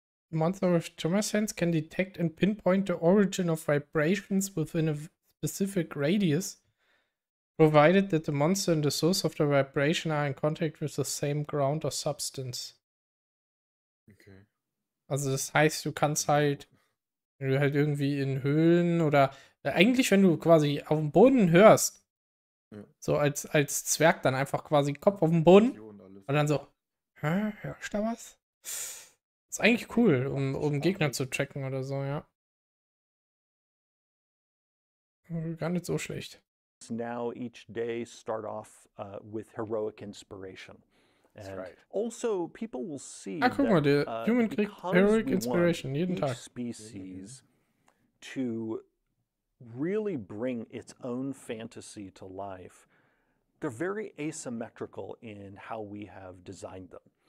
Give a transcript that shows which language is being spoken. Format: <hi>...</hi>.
<en>Monster with tremor sense can detect and pinpoint the origin of vibrations within a specific radius, provided that the monster and the source of the vibration are in contact with the same ground or substance. Okay.</en> <de>Also das heißt, du kannst halt, wenn du halt irgendwie in Höhlen oder eigentlich, wenn du quasi auf dem Boden hörst, ja. So als Zwerg dann einfach quasi Kopf auf dem Boden und dann so, hörst du da was? Ist eigentlich cool, um Gegner zu tracken oder so, ja. Gar nicht so schlecht.</de> <en>Now each day start off with heroic inspiration. And that's right. Also, people will see that...</en> <de>Ah, guck mal, der Human kriegt heroic inspiration jeden Tag.</de> <en>Each species to really bring its own fantasy to life, they're very asymmetrical in how we have designed them.</en>